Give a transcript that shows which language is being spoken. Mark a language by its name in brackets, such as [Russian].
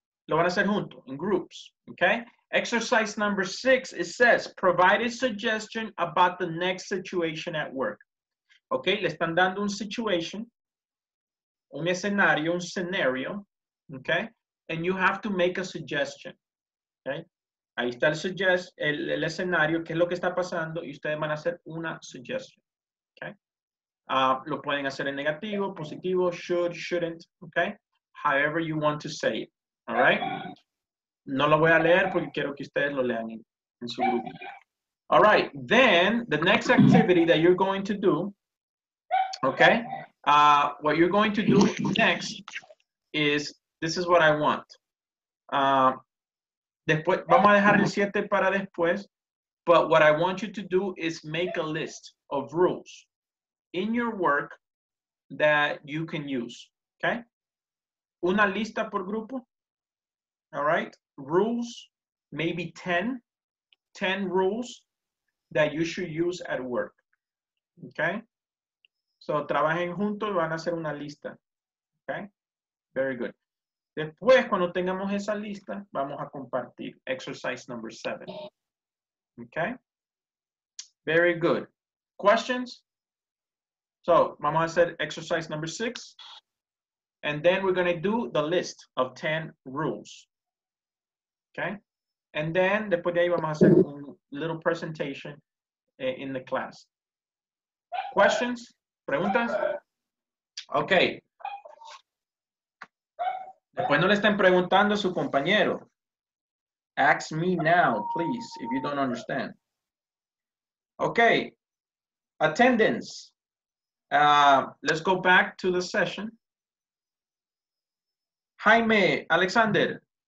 [Spanish] Lo van a hacer junto, [English] in groups, okay? Exercise number 6, it says, provide a suggestion about the next situation at work. [Spanish] Okay, le están dando un situation, un escenario, okay? [English] And you have to make a suggestion, okay? [Spanish] Ahí está el escenario, qué es lo que está pasando, y ustedes van a hacer una suggestion, okay? Lo pueden hacer en negativo, positivo, [English] should, shouldn't, okay? However you want to say it, All right. [Spanish] No lo voy a leer porque quiero que ustedes lo lean en su grupo. [English] All right. Then the next activity that you're going to do, okay? What you're going to do next is this is what I want. [Spanish] Después vamos a dejar el 7 para después. [English] But what I want you to do is make a list of rules in your work that you can use, okay? [Spanish] Una lista por grupo, [English] all right? Rules, maybe 10 rules that you should use at work, okay? [Spanish] So, trabajen juntos, van a hacer una lista, okay? [English] Very good. [Spanish] Después, cuando tengamos esa lista, vamos a compartir exercise number 7. [English] Okay, very good. Questions? So, mama said exercise number 6. And then we're going to do the list of 10 rules. Okay, and then [Spanish] después de ahí vamos a hacer [English] a little presentation in the class. Questions? Preguntas? Okay. [Spanish] Después no le estén preguntando a su compañero. [English] Ask me now, please, if you don't understand. Okay, attendance. Let's go back to the session. Jaime, Alexander.